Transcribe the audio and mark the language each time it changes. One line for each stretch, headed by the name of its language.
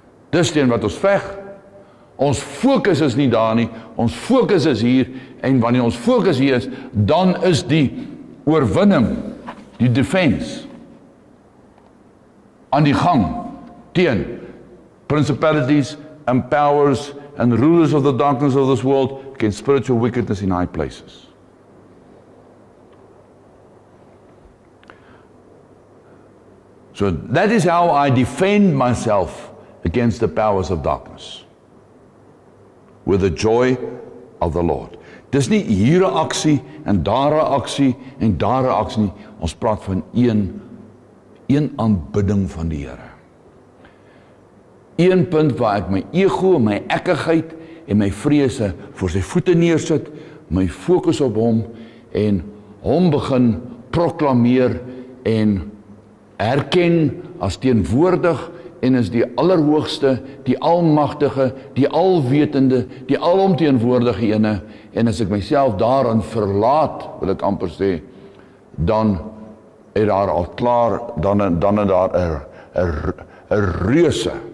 Afrikaans: Dis teen wat ons veg. Ons fokus is nie daar nie, ons fokus is hier, en wanneer ons fokus hier is, dan is die oorwinning, die defense, aan die gang, teen
English: principalities and powers and rulers of the darkness of this world against spiritual wickedness in high places. So that is how I defend myself against the powers of darkness. With the joy of the Lord.
Afrikaans: Dis nie hier 'n aksie en daar 'n aksie en daar 'n aksie nie. Ons praat van een aanbidding van die Here. Een punt waar ek my ego, my ekkigheid en my vrese voor sy voete neersit, my fokus op hom en hom begin proklameer en erken as teenwoordig en as die allerhoogste, die almagtige, die alwetende, die alomteenwoordige ene en as ek myself daarin verlaat, wil ek amper sê, dan het daar al klaar, dan het daar 'n reuse